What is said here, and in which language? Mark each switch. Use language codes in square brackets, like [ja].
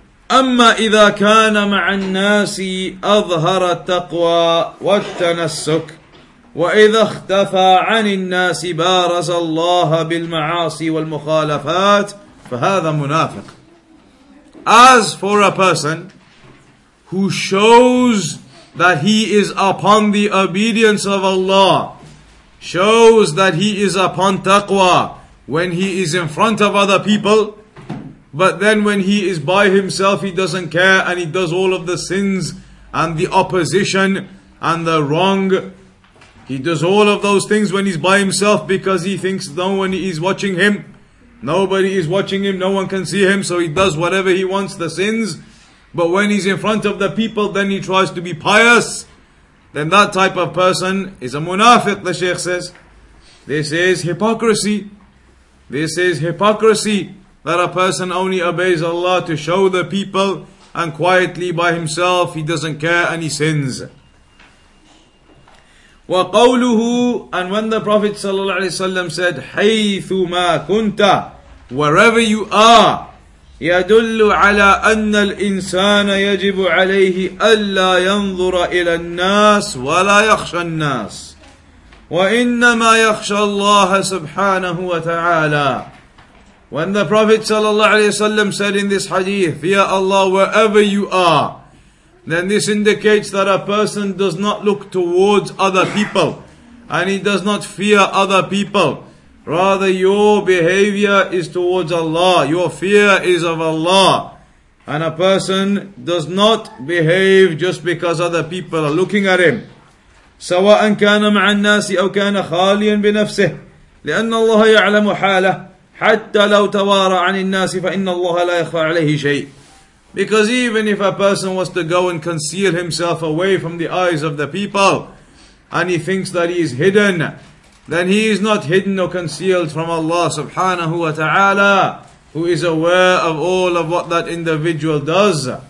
[ar] أَمَّا إِذَا كَانَ مَعَ النَّاسِ أَظْهَرَ التَّقْوَى وَالتَّنَسُّكُ وإذا اختفى عن الناس بارز الله بالمعاصي والمخالفات فهذا منافق. [en] As for a person who shows that he is upon the obedience of Allah, shows that he is upon taqwa when he is in front of other people, but then when he is by himself he doesn't care and he does all of the sins and the opposition and the wrong, he does all of those things when he's by himself because he thinks no one is watching him. Nobody is watching him, no one can see him, so he does whatever he wants, the sins. But when he's in front of the people, then he tries to be pious. Then that type of person is a munafiq, the Shaykh says. This is hypocrisy. This is hypocrisy, that a person only obeys Allah to show the people, and quietly by himself, he doesn't care and he sins. [ar] وقوله, [en] and when the Prophet [ar] صلى الله عليه وسلم [en] said, [ar] حيثما كنت, [en] wherever you are, [ar] يدل على أن الإنسان يجب عليه ألا ينظر إلى الناس ولا يخشى الناس وإنما يخشى الله سبحانه وتعالى. [en] When the Prophet صلى الله عليه وسلم said in this hadith, fear Allah wherever you are, then this indicates that a person does not look towards other people, and he does not fear other people. Rather, your behavior is towards Allah. Your fear is of Allah. And a person does not behave just because other people are looking at him. [ar] سواء كان مع الناس أو كان خاليا بنفسه لأن الله يعلم حاله حتى لو توارى عن الناس فإن الله لا يخفى عليه شيء. [en] Because even if a person was to go and conceal himself away from the eyes of the people, and he thinks that he is hidden, then he is not hidden or concealed from Allah subhanahu wa ta'ala, who is aware of all of what that individual does.